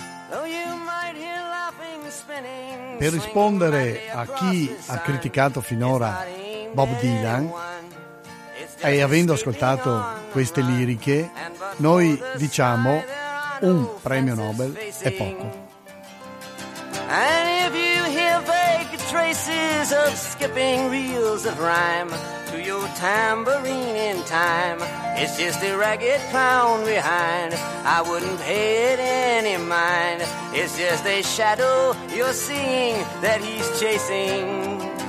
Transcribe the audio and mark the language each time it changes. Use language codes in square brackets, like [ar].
[en] Though you might hear laughing, spinning. [it] Per rispondere a chi ha criticato finora Bob Dylan, e avendo ascoltato queste liriche, noi diciamo: un premio Nobel è poco. [en] And if you hear vague traces of skipping reels of rhyme to your tambourine in time, it's just a ragged clown behind. I wouldn't pay it any mind. It's just a shadow you're seeing that he's chasing.